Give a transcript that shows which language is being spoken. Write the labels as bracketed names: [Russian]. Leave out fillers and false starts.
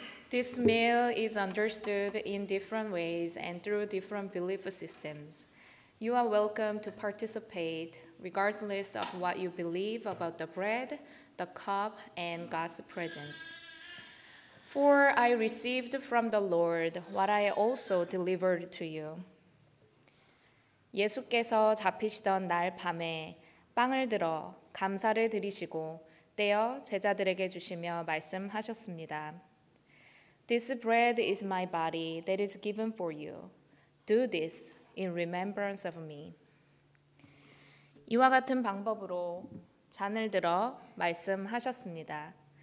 [English] This meal is understood in different ways and through different belief systems. You are welcome to participate regardless of what you believe about the bread, the cup, and God's presence. For I received from the Lord what I also delivered to you. [Korean] 예수께서 잡히시던 날 밤에 빵을 들어 감사를 드리시고 떼어 제자들에게 주시며 말씀하셨습니다. [English] This bread is my body that is given for you. Do this in remembrance of me. [Korean] 이와 같은 방법으로 잔을 들어 말씀하셨습니다.